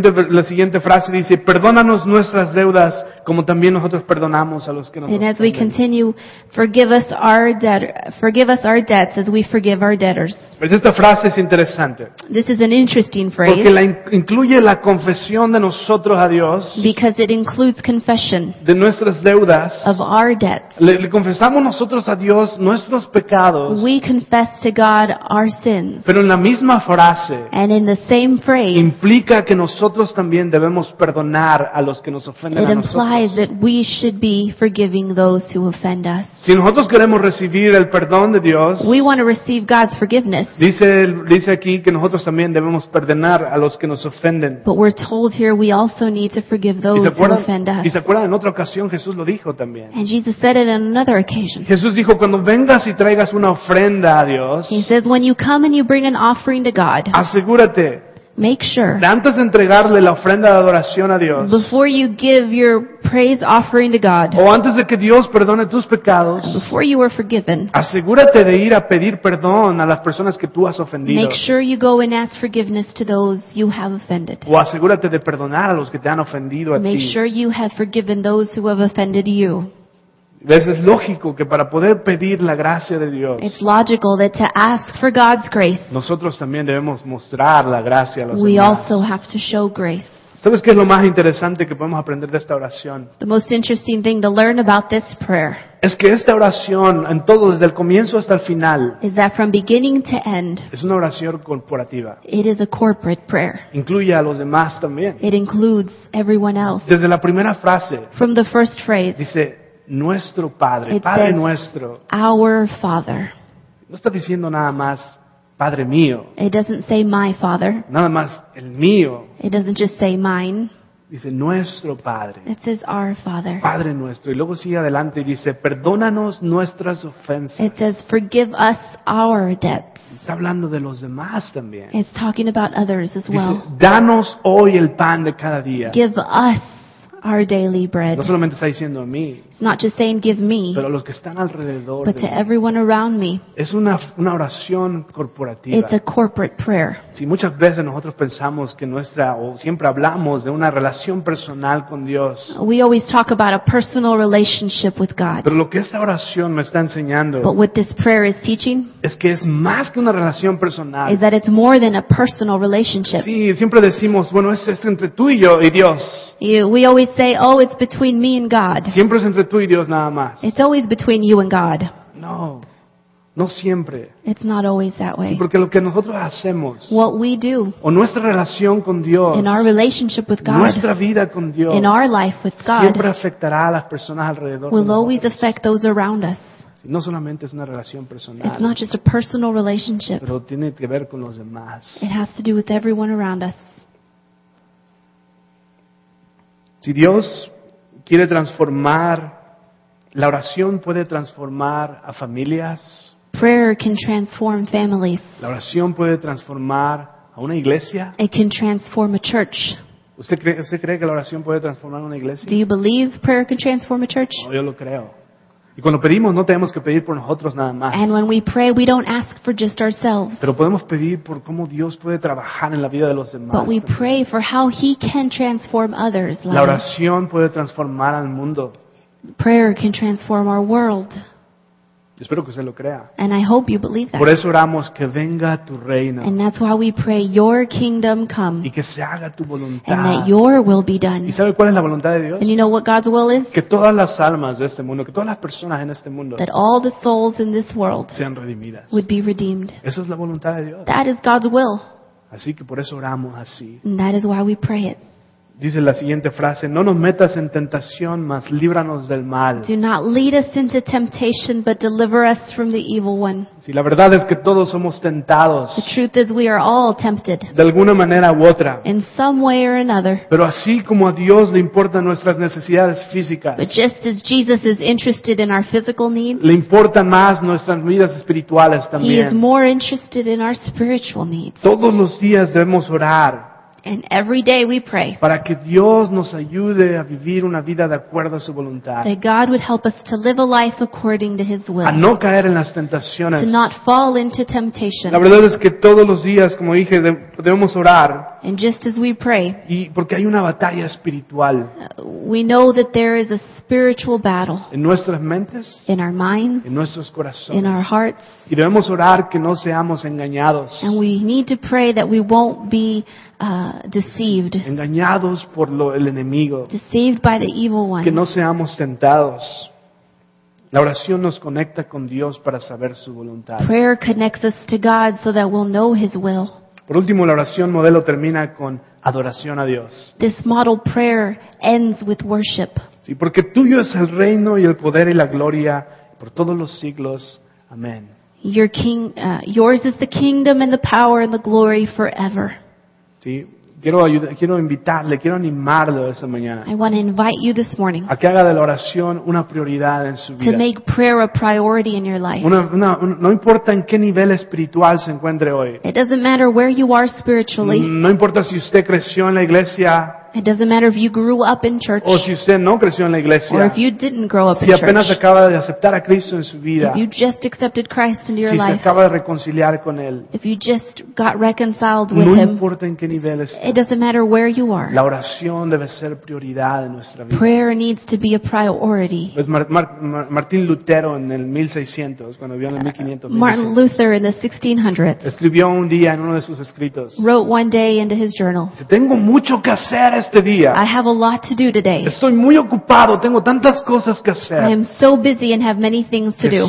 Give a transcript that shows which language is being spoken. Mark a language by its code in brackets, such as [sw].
[es] La siguiente frase dice, perdónanos nuestras deudas como también nosotros perdonamos a los que nos deben. [en] And as we continue, forgive us our debts as we forgive our debtors. [es] Pues esta frase es interesante. [en] This is an interesting phrase. [es] Porque incluye la confesión de nosotros a Dios. [en] Because it includes confession. [es] De nuestras deudas. [en] Of our debts. [es] Le confesamos nosotros a Dios nuestros pecados. [en] We confess to God our sins. [es] Pero en la misma frase. [en] And in the same phrase. [es] Implica que nosotros también debemos perdonar a los que nos ofenden a nosotros. [en] It implies that we should be forgiving those who offend us. [es] Si nosotros queremos recibir el perdón de Dios, [en] we want to receive God's forgiveness. [es] Dice aquí que nosotros también debemos perdonar a los que nos ofenden. [en] But we're told here we also need to forgive those who offend us. [es] Y se acuerdan, en otra ocasión Jesús lo dijo también. [en] And Jesus said it on another occasion. [es] Jesús dijo, cuando vengas y traigas una ofrenda a Dios, [en] he says, when you come and you bring an offering to God, [es] asegúrate. [en] Make sure. [es] Antes de entregarle la ofrenda de adoración a Dios. [en] Before you give your praise offering to God. [es] O antes de que Dios perdone tus pecados. [en] Before you are forgiven. [es] Asegúrate de ir a pedir perdón a las personas que tú has ofendido. [en] Make sure you go and ask forgiveness to those you have offended. [es] O asegúrate de perdonar a los que te han ofendido a ti. [en] Make sure you have forgiven those who have offended you. [es] Es lógico que para poder pedir la gracia de Dios, [en] it's logical that to ask for God's grace, [es] nosotros también debemos mostrar la gracia a los [en] we [es] demás. [en] We also have to show grace. [es] ¿Sabes qué es lo más interesante que podemos aprender de esta oración? [en] The most interesting thing to learn about this prayer [es] es que esta oración, en todo, desde el comienzo hasta el final, [en] is that from beginning to end, [es] es una oración corporativa. [en] It is a corporate prayer. [es] Incluye a los demás también. [en] It includes everyone else. [es] Desde la primera frase, [en] from the first phrase, [es] dice, nuestro Padre, [en] it [es] Padre [en] says, [es] nuestro. [en] Our Father. [es] No está diciendo nada más, Padre mío. [en] It doesn't say my Father. [es] Nada más, el mío. [en] It doesn't just say mine. [es] Dice, nuestro Padre. [en] It says, our Father. [es] Padre nuestro. Y luego sigue adelante y dice, perdónanos nuestras ofensas. [en] It says, forgive us our debts. [es] Está hablando de los demás también. [en] It's talking about others as [es] dice, [en] well. [es] Danos hoy el pan de cada día. [en] Give us our daily bread. [es] No solamente está diciendo a mí, [en] it's not just saying give me, [es] pero a los que están alrededor, [en] but to everyone around me. [es] Es una oración corporativa. [en] It's a corporate prayer. [es] Sí, muchas veces nosotros pensamos que siempre hablamos de una relación personal con Dios. [en] We always talk about a personal relationship with God. [es] Pero lo que esta oración me está enseñando, [en] but what this prayer is teaching, [es] es que es más que una relación personal. [en] Is that it's more than a personal relationship. [es] Sí, siempre decimos, bueno, es entre tú y yo y Dios. [en] We always say, oh, it's between me and God. [es] Siempre es entre tú y Dios nada más. [en] It's always between you and God. [es] No. No siempre. [en] It's not always that way. [es] Sí, porque lo que nosotros hacemos, [en] what we do, [es] o nuestra relación con Dios, [en] in our relationship with God, [es] nuestra vida con Dios, [en] in our life with God, [es] siempre afectará a las personas alrededor. [en] Will [es] de nosotros. [en] Always affect those around us. [es] No solamente es una relación personal. [en] It's not just a personal relationship. [es] Pero tiene que ver con los demás. [en] It has to do with everyone around us. [es] Si Dios quiere transformar, la oración puede transformar a familias. [en] Prayer can transform families. [es] La oración puede transformar a una iglesia. [en] It can transform a church. [es] ¿Usted cree que la oración puede transformar una iglesia? [en] Do you believe prayer can transform a church? [es] No, yo lo creo. Y cuando pedimos, no tenemos que pedir por nosotros nada más. [en] And when we pray, we don't ask for just ourselves. [es] Pero podemos pedir por cómo Dios puede trabajar en la vida de los demás. [en] But we pray for how He can transform others. [es] La oración puede transformar al mundo. [en] Prayer can transform our world. [es] Espero que usted lo crea. [en] And I hope you believe that. [es] Por eso oramos que venga tu reino. [en] And that's why we pray your kingdom come. [es] Y que se haga tu voluntad. [en] And that your will be done. [es] ¿Y sabe cuál es la voluntad de Dios? [en] And you know what God's will is? [es] Que todas las almas de este mundo, que todas las personas en este mundo, [en] that all the souls in this world [es] sean redimidas. [en] Would be redeemed. [es] Esa es la voluntad de Dios. [en] That is God's will. [es] Así que por eso oramos así. [en] And that is why we pray it. [es] Dice la siguiente frase: no nos metas en tentación, mas líbranos del mal. [en] Do not lead us into temptation, but deliver us from the evil one. [es] Sí, la verdad es que todos somos tentados. [en] The truth is we are all tempted. [es] De alguna manera u otra. [en] In some way or another. [es] Pero así como a Dios le importan nuestras necesidades físicas. [en] But just as Jesus is interested in our physical needs. [es] Le importan más nuestras vidas espirituales también. [en] He is more interested in our spiritual needs. [es] Todos los días debemos orar. [en] And every day we pray. [es] Para que Dios nos ayude a vivir una vida de acuerdo a su voluntad. [en] That God would help us to live a life according to His will. [es] A no caer en las tentaciones. [en] To not fall into temptation. [es] La verdad es que todos los días, como dije, debemos orar. [en] And just as we pray. [es] Y porque hay una batalla espiritual. [en] We know that there is a spiritual battle. [es] En nuestras mentes. [en] In our minds. [es] En nuestros corazones. [en] In our hearts. [es] Y debemos orar que no seamos engañados. [en] And we need to pray that we won't be deceived. [es] Engañados por el enemigo. [en] Deceived by the evil one. [es] Que no seamos tentados. La oración nos conecta con Dios para saber su voluntad. [en] Prayer connects us to God so that we'll know His will. [es] Por último, la oración modelo termina con adoración a Dios. [en] This model prayer ends with worship. [es] Sí, porque tuyo es el reino y el poder y la gloria por todos los siglos. Amén. [en] Yours is the kingdom and the power and the glory forever. [es] Sí, quiero animarlo esta mañana. [en] I want to invite you this morning. [es] A que haga de la oración una prioridad en su vida. [en] To make prayer a priority in your life. [es] No importa en qué nivel espiritual se encuentre hoy. [en] It doesn't matter where you are spiritually. [es] No importa si usted creció en la iglesia. [en] It doesn't matter if you grew up in church. [es] O si usted no creció en la iglesia. [en] Or if you didn't grow up in church. [es] Si apenas acaba de aceptar a Cristo en su vida. [en] If you just accepted Christ into your [es] life. Si se acaba de reconciliar con él. [en] If you just got reconciled with him. [es] No importa en qué nivel está. [en] It doesn't matter where you are. [es] La oración debe ser prioridad en nuestra vida. [en] Prayer needs to be a priority. [es] Pues Martín Lutero en el 1600, cuando vivió en el 1500. [en] Martin Luther in the 1600s. [es] Escribió un día en uno de sus escritos. [en] Wrote one day into his journal. [es] Dice, tengo mucho que hacer. Este día. [en] I have a lot to do today. [es] Estoy muy ocupado, tengo tantas cosas que hacer. [en] I am so busy and have many things to do.